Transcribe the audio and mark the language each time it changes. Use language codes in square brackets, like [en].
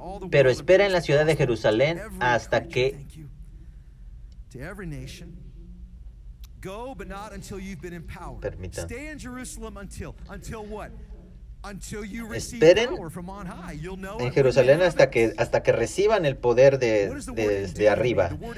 [es] Pero espera en la ciudad de Jerusalén hasta que [en] to every nation. Go, but not until you've been empowered. [es] Permita. [en] Stay in Jerusalem until what? [es] Esperen en Jerusalén hasta que reciban el poder de arriba.